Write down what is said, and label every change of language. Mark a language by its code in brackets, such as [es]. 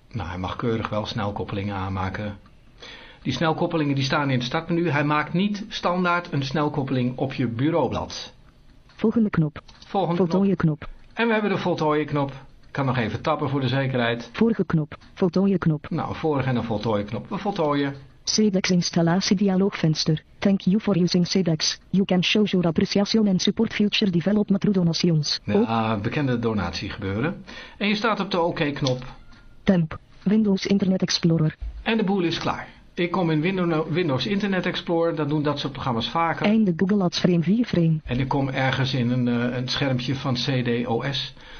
[nl] Nou, hij mag keurig wel snelkoppelingen aanmaken. Die snelkoppelingen die staan in het startmenu. Hij maakt niet standaard een snelkoppeling op je bureaublad. Volgende knop. Volgende voltooien knop. En we hebben de voltooien knop. Ik kan nog even tappen voor de zekerheid. Vorige knop. Voltooien knop. Nou, een vorige en een voltooien knop. We voltooien. Cedex installatie dialoogvenster. [en] Thank you for using Cedex. You can show your appreciation and support future development through donations. [nl] Ja, bekende donatie gebeuren. En je staat op de OK-knop. Temp. Windows Internet Explorer. En de boel is klaar. Ik kom in Windows Internet Explorer, dan doen dat soort programma's vaker. Einde Google Ads frame 4 frame. En ik kom ergens in een schermpje van CDOS.